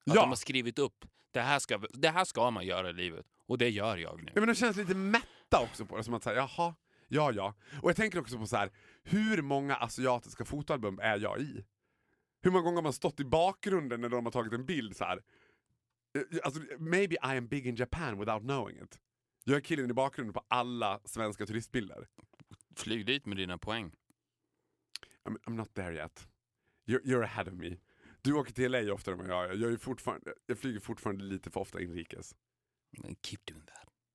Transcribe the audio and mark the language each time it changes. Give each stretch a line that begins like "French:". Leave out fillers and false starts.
Swedish: Att de har skrivit upp, det här ska man göra i livet. Och det gör jag nu. Ja, men det känns lite mätta också på det. Som att säga, jaha, ja. Och jag tänker också på så här, hur många asiatiska fotoalbum är jag i? Hur många gånger har man stått i bakgrunden när de har tagit en bild så här? Alltså,
English: maybe I am big in Japan without knowing it.
Swedish: Jag är killen i bakgrunden på alla svenska turistbilder. Flyg dit med dina poäng.
English: I'm not there yet. You're ahead of me.
Swedish: Du åker till LA oftare än jag. Jag flyger fortfarande lite för ofta inrikes.
English: Keep doing that.